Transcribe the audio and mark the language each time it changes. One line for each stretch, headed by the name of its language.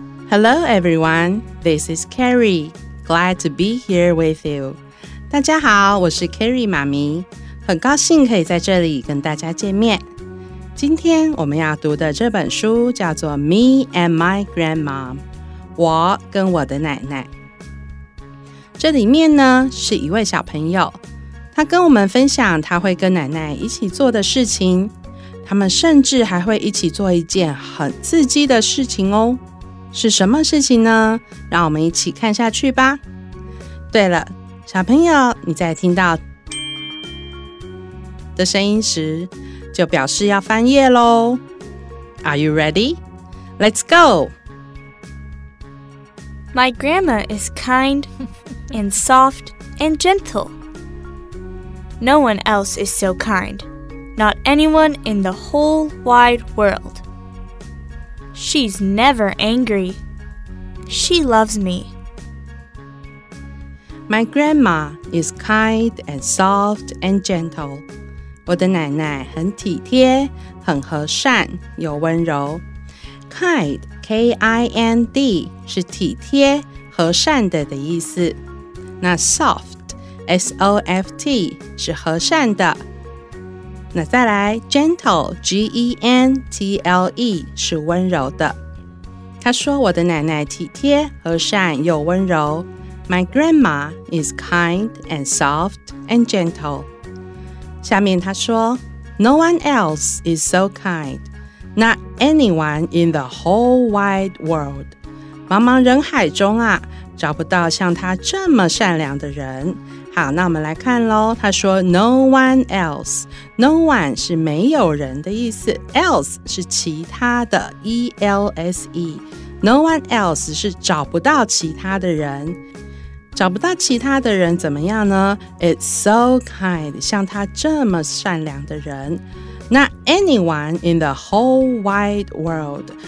English: Hello everyone, this is Carrie. Glad to be here with you.
Chinese: 大家好，我是 Carrie 妈咪，很高兴可以在这里跟大家见面。今天我们要读的这本书叫做 Me and My Grandma， 我跟我的奶奶。这里面呢是一位小朋友，他跟我们分享他会跟奶奶一起做的事情，他们甚至还会一起做一件很刺激的事情哦。是什么事情呢？让我们一起看下去吧。对了，小朋友，你在听到的声音时，就表示要翻页咯。
English: Are you ready? Let's go! My grandma is kind and soft and gentle. No one else is so kind. Not anyone in the whole wide world. She's never angry. She loves me. My grandma is kind and soft and gentle.
Chinese: 我的奶奶很体贴，很和善，又温柔。 Kind, K-I-N-D, 是体贴、和善的意思。那 soft, S-O-F-T, 是和善的。那再来 ,gentle, G-E-N-T-L-E, 是温柔的。他说我的奶奶体贴、和善又温柔。
English: My grandma is kind and soft and gentle.
Chinese: 下面他说
English: No one else is so kind. Not anyone in the whole wide world.
Chinese: 茫茫人海中啊，找不到像他这么善良的人。好，那我们来看咯。他说 No one else， No one 是没有人的意思， Else 是其他的， E-L-S-E。 No one else 是找不到其他的人。找不到其他的人怎么样呢？
English: It's so kind，
Chinese: 像他这么善良的人。
English: Not anyone in the whole wide world。